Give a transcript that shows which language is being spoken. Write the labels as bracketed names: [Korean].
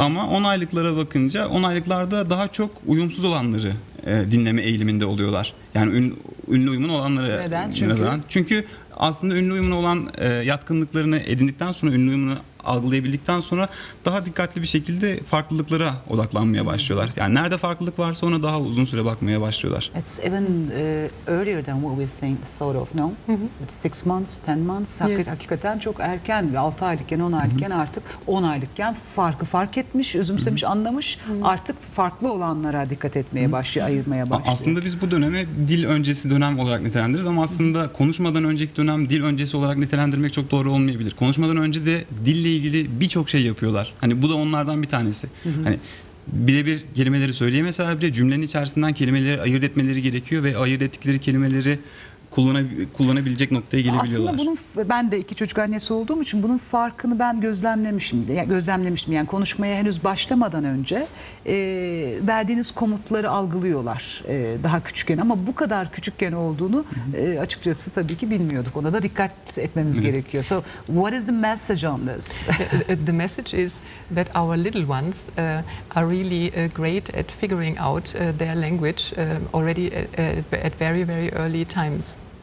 [Turkish] Ama 10 aylıklara bakınca 10 aylıklarda daha çok uyumsuz olanları dinleme eğiliminde oluyorlar. Yani ünlü uyumun olanları. Neden? Çünkü aslında ünlü uyumun olan yatkınlıklarını edindikten sonra, ünlü uyumunu algılayabildikten sonra daha dikkatli bir şekilde farklılıklara odaklanmaya başlıyorlar. Yani nerede farklılık varsa ona daha uzun süre bakmaya başlıyorlar. [English] It's even earlier than what we thought of, no? Mm-hmm. 6 months, 10 months. Yes. [Turkish] Hakikaten çok erken. 6 aylıkken, 10 aylıkken artık 10 aylıkken farkı fark etmiş, özümsemiş, anlamış. Artık farklı olanlara dikkat etmeye başlıyor, ayırmaya başlıyor. Aslında biz bu dönemi dil öncesi dönem olarak nitelendiririz ama aslında konuşmadan önceki dönem dil öncesi olarak nitelendirmek çok doğru olmayabilir. Konuşmadan önce de dil ile ilgili birçok şey yapıyorlar. Hani bu da onlardan bir tanesi. Hani birebir kelimeleri söyleyemeseler bile cümlenin içerisinden kelimeleri ayırt etmeleri gerekiyor ve ayırt ettikleri kelimeleri kullanabilecek noktaya gelebiliyorlar. Aslında bunun, ben de iki çocuk annesi olduğum için bunun farkını ben gözlemlemişim. Yani konuşmaya henüz başlamadan önce verdiğiniz komutları algılıyorlar daha küçükken. Ama bu kadar küçükken olduğunu açıkçası tabii ki bilmiyorduk. Ona da dikkat etmemiz gerekiyor. [English] So, what is the message on this? The message is that our little ones are really great at figuring out their language already at very very early times.